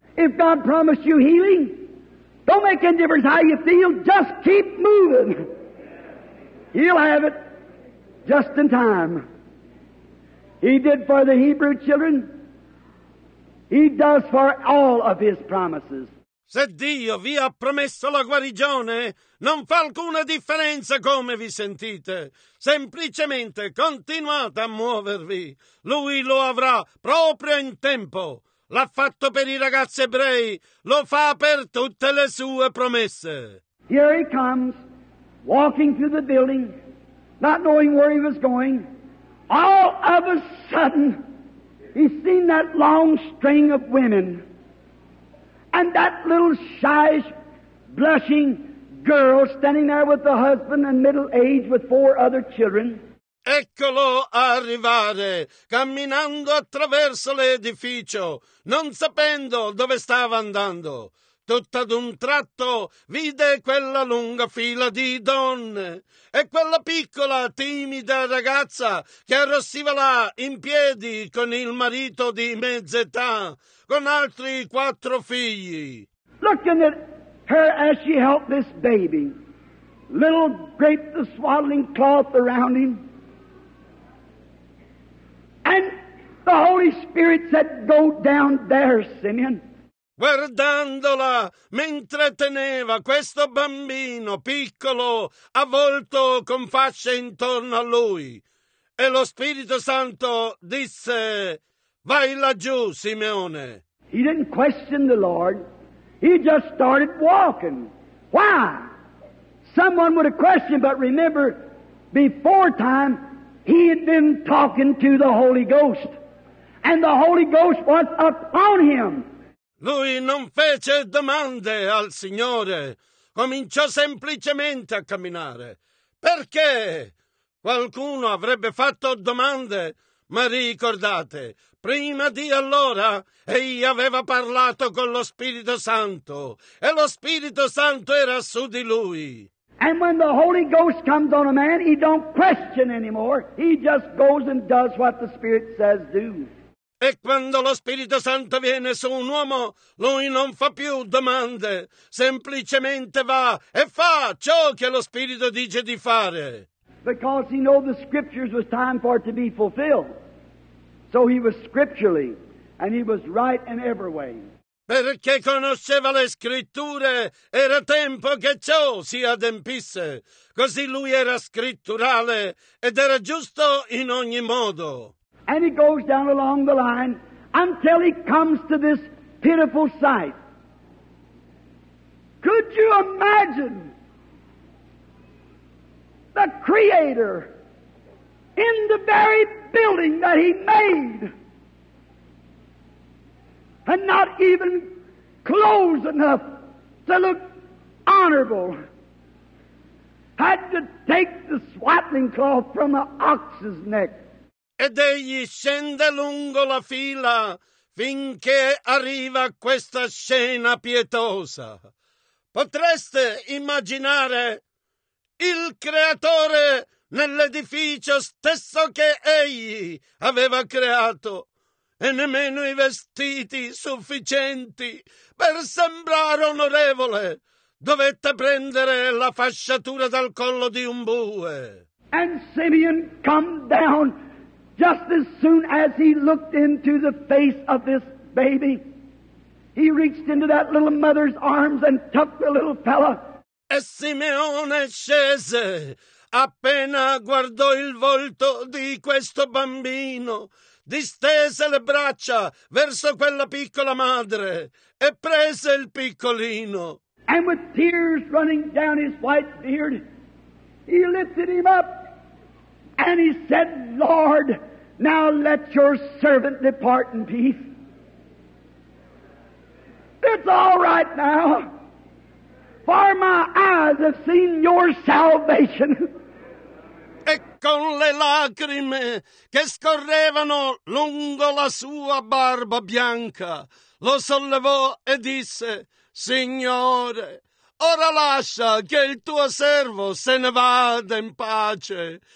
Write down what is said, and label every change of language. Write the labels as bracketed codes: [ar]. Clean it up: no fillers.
[en] If God promised you healing, don't make any difference how you feel, just keep moving. He'll have it just in time. He did for the Hebrew children. He does for all of his promises. [it] Se Dio vi ha promesso la guarigione, non fa alcuna differenza come vi sentite. Semplicemente continuate a muovervi. Lui lo avrà proprio in tempo. L'ha fatto per i ragazzi ebrei. Lo fa per tutte le sue promesse. [en] Here he comes, walking through the building, not knowing where he was going. All of a sudden, he seen that long string of women and that little shyish, blushing girl standing there with the husband and middle age with four other children. [it] Eccolo arrivare, camminando attraverso l'edificio, non sapendo dove stava andando. Tutto ad un tratto vide quella lunga fila di donne e quella piccola, timida ragazza che arrossiva là in piedi con il marito di mezza età, con altri quattro figli. [en] Looking at her as she helped this baby, little draped the swaddling cloth around him, and the Holy Spirit said, go down there, Simeon. [it] guardandola mentre teneva questo bambino piccolo avvolto con fasce intorno a lui. E lo Spirito Santo disse: vai laggiù, Simeone. [en] He didn't question the Lord. He just started walking. Why? Someone would have questioned, but remember, before time, he had been talking to the Holy Ghost. And the Holy Ghost was upon him. [it] Lui non fece domande al Signore. Cominciò semplicemente a camminare. Perché? Qualcuno avrebbe fatto domande, ma ricordate, prima di allora egli aveva parlato con lo Spirito Santo e lo Spirito Santo era su di lui. [en] And when the Holy Ghost comes on a man, he don't question anymore. He just goes and does what the Spirit says do. [it] E quando lo Spirito Santo viene su un uomo, lui non fa più domande, semplicemente va e fa ciò che lo Spirito dice di fare. [en] Because he knew the scriptures was time for it to be fulfilled. So he was scripturally, and he was right in every way. [it] Perché conosceva le scritture, era tempo che ciò si adempisse. Così lui era scritturale, ed era giusto in ogni modo. [en] And he goes down along the line until he comes to this pitiful sight. Could you imagine the Creator in the very building that he made and not even clothes enough to look honorable, had to take the swaddling cloth from an ox's neck? [it] Ed egli scende lungo la fila finché arriva a questa scena pietosa. Potreste immaginare il Creatore nell'edificio stesso che egli aveva creato, e nemmeno i vestiti sufficienti per sembrare onorevole dovette prendere la fasciatura dal collo di un bue. [en] And Simeon come down just as soon as he looked into the face of this baby. He reached into that little mother's arms and tucked the little fella. [it] E Simeone scese, appena guardò il volto di questo bambino, distese le braccia verso quella piccola madre e prese il piccolino. [en] And with tears running down his white beard, he lifted him up and he said, Lord, now let your servant depart in peace. It's all right now. For my eyes have seen your salvation. [it] E con le lacrime che scorrevano lungo la sua barba bianca, lo sollevò e disse, Signore, ora lascia che il tuo servo se ne vada in pace.